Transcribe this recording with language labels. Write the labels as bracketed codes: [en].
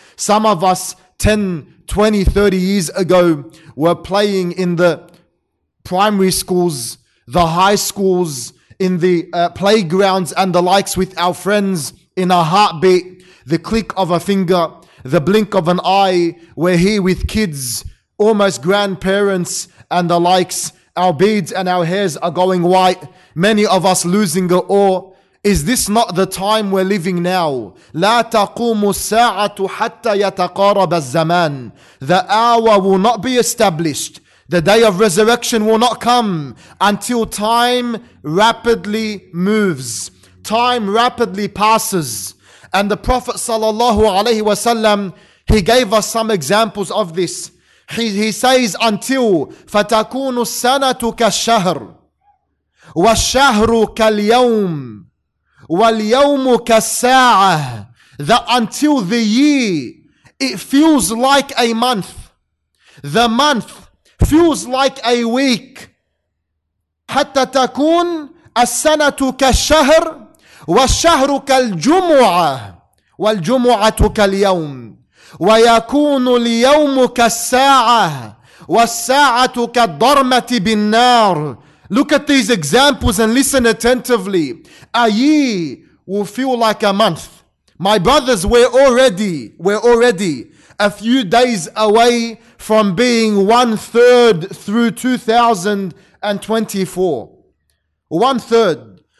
[en] Some of us 10, 20, 30 years ago were playing in the primary schools, the high schools, in the playgrounds and the likes with our friends in a heartbeat, the click of a finger, the blink of an eye. We're here with kids, almost grandparents and the likes. Our beards and our hairs are going white. Many of us losing it all. Is this not the time we're living now? [ar] لا تقوم الساعة حتى يتقارب الزمان. [en] The hour will not be established. The day of resurrection will not come until time rapidly moves. Time rapidly passes. And the Prophet sallallahu alaihi wasallam, he gave us some examples of this. He says, until [ar] فتكون السنة كالشهر والشهر كاليوم واليوم كالساعة, [en] that until the year, it feels like a month. The month feels like a week. [ar] حتى تكون السنة كالشهر والشهر كالجمعة والجمعة كاليوم ويكون اليوم كالساعة والساعة كالضرمة بالنار. [en] Look at these examples and listen attentively. A year will feel like a month. My brothers, we're already a few days away from being one third through 2024. One third.